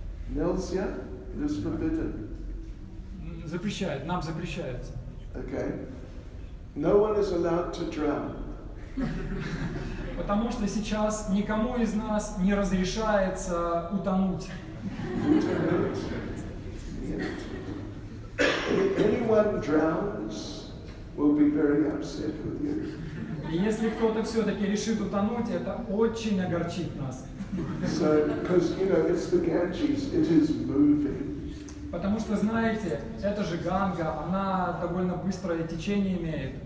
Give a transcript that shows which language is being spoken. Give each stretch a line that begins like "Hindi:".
Russian: Нельзя?
English: It is forbidden.
Russian: Запрещает, нам запрещает.
English: Okay. No one is allowed to drown.
Russian: Потому что сейчас никому из нас не разрешается утонуть. Утонуть? Нет.
English: Anyone drowns, will be very upset with you.
Russian: И если кто-то все-таки решит утонуть, это очень огорчит нас.
English: So, because you know, it's the Ganges, it is moving.
Russian: Потому что знаете, это же Ганга, она довольно быстрое течение имеет.